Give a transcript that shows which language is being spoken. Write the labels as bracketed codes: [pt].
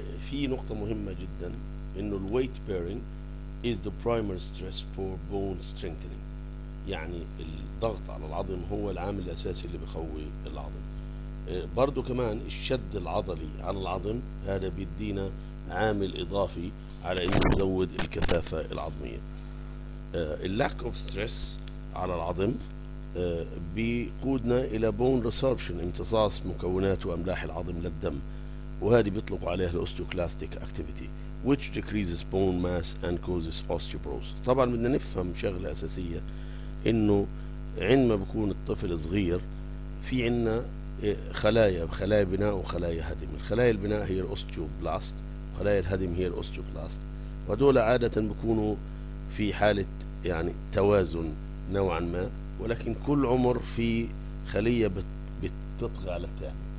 [ar] في نقطة مهمة جدا انه الويت بيرنج [en] is the primary stress for bone strengthening, [ar] يعني الضغط على العظم هو العامل الأساسي اللي بيقوي العظم. برضو كمان الشد العضلي على العظم هذا بيدينا عامل إضافي على إنه يزود الكثافة العظمية. [en] lack of stress [ar] على العظم بيقودنا إلى bone resorption, امتصاص مكونات وأملاح العظم للدم, وهذه بيطلق عليها [en] osteoclastic activity which decreases bone mass and causes osteoporosis. [ar] طبعا بدنا نفهم شغلة أساسية إنه عندما بكون الطفل صغير في عنا خلايا بناء وخلايا هدم. الخلايا البناء هي الأوستيوبلاست, خلايا الهدم هي الأوستيوبلاست, ودول عادة بكونوا في حالة يعني توازن نوعا ما, ولكن كل عمر في خلية بتطغى على الثاني.